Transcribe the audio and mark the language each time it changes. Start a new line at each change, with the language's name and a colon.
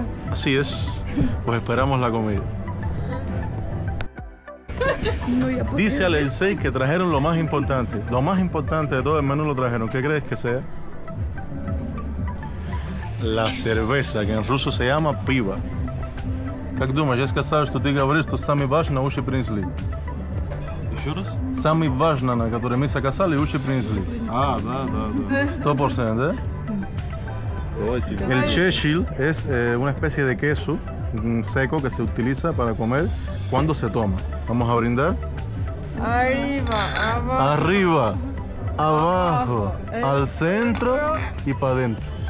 Spanish: Así es, pues esperamos la comida. Dice Alexei que trajeron lo más importante. Lo más importante de todo el menú lo trajeron. ¿Qué crees que sea? La cerveza, que en ruso se llama piva.
Russian: Как думаешь, я сказал, что ты говоришь, что самое важное уши принесли? Самое важное, на которое мы заказали, уши принесли. А, да, да, да. 100%, да?
Spanish: El chechil es una especie de queso seco que se utiliza para comer cuando se toma. Vamos a brindar. Arriba, abajo. Arriba, abajo, al centro y para adentro.